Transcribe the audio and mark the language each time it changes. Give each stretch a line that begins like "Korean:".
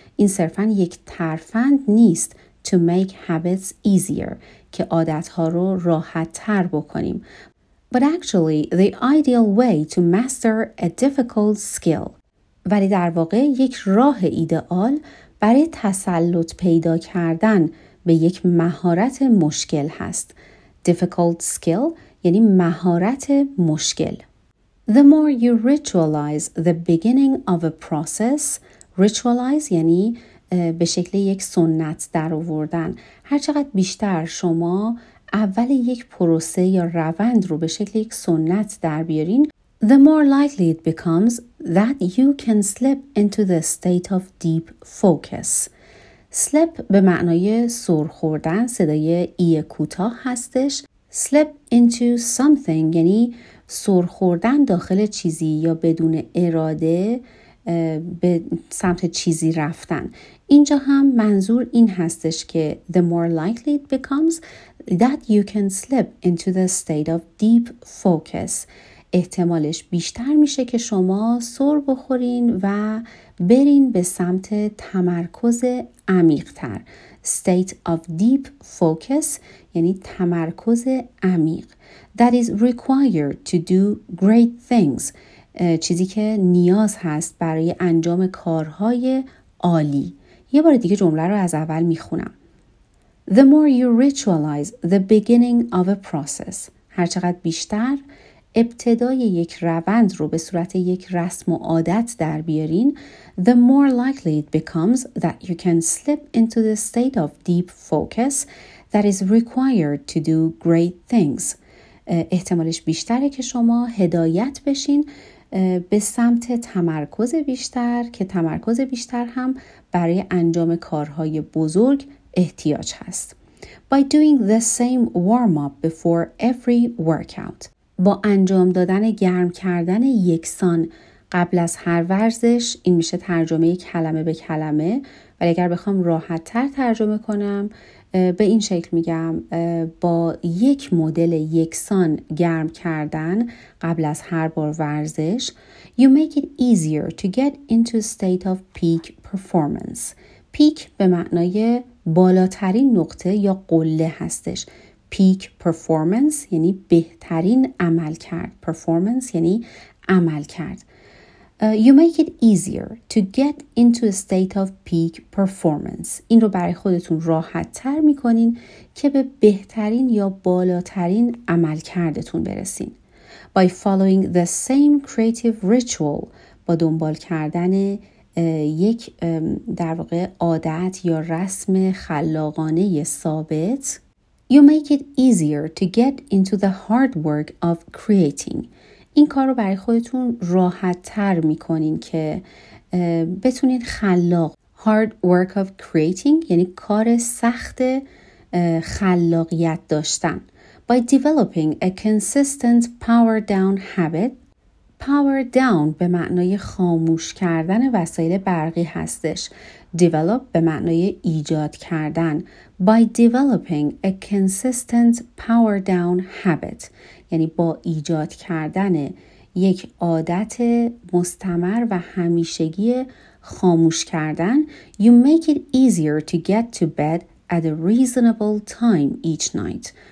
Persian: این صرفاً یک ترفند نیست.
English: To make habits easier.
Persian: که عادتها رو راحت تر بکنیم.
English: But actually, the ideal way to master a difficult skill.
Persian: ولی در واقع یک راه ایدئال برای تسلط پیدا کردن به یک مهارت مشکل هست. Difficult skill یعنی مهارت مشکل.
English: The more you ritualize the beginning of a process,
Persian: ritualize یعنی به شکل یک سنت در آوردن. هر چقدر بیشتر شما اول یک پروسه یا روند رو به شکل یک سنت در بیارین,
English: the more likely it becomes that you can slip into the state of deep focus.
Persian: Slip به معنای سرخوردن, صدای ای کوتاه هستش. Slip into something یعنی سرخوردن داخل چیزی یا بدون اراده به سمت چیزی رفتن. اینجا هم منظور این هستش که
English: the more likely it becomes that you can slip into the state of deep focus.
Persian: احتمالش بیشتر میشه که شما سر بخورین و برین به سمت تمرکز عمیق‌تر. State of deep focus یعنی تمرکز عمیق.
English: That is required to do great things.
Persian: چیزی که نیاز هست برای انجام کارهای عالی. یه بار دیگه جمله رو از اول میخونم.
English: The more you ritualize the beginning of a process.
Persian: هرچقدر بیشتر ابتدای یک روند رو به صورت یک رسم و عادت در بیارین,
English: the more likely it becomes that you can slip into the state of deep focus that is required to do great things.
Persian: احتمالش بیشتره که شما هدایت بشین به سمت تمرکز بیشتر, که تمرکز بیشتر هم برای انجام کارهای بزرگ احتیاج هست.
English: By doing the same warm-up before every workout.
Persian: با انجام دادن گرم کردن یکسان قبل از هر ورزش, این میشه ترجمه کلمه به کلمه, ولی اگر بخوام راحت تر ترجمه کنم به این شکل میگم, با یک مدل یکسان گرم کردن قبل از هر بار ورزش,
English: you make it easier to get into state of peak performance.
Persian: Peak به معنای بالاترین نقطه یا قله هستش. Peak performance یعنی بهترین عمل کرد. Performance یعنی عمل کرد.
English: You make it easier to get into a state of peak performance.
Persian: این رو برای خودتون راحت تر می کنین که به بهترین یا بالاترین عمل کردتون برسین.
English: By following the same creative ritual,
Persian: با دنبال کردن یک در واقع عادت یا رسم خلاقانه ثابت,
English: you make it easier to get into the hard work of creating.
Persian: این کار رو برای خودتون راحت تر می کنین که بتونین خلاق,
English: hard work of creating
Persian: یعنی کار سخت خلاقیت داشتن.
English: By developing a consistent power down habit.
Persian: Power down به معنای خاموش کردن وسایل برقی هستش. Develop به معنای ایجاد کردن.
English: By developing a consistent power down habit.
Persian: یعنی با ایجاد کردن یک عادت مستمر و همیشگی خاموش کردن,
English: you make it easier to get to bed at a reasonable time each night.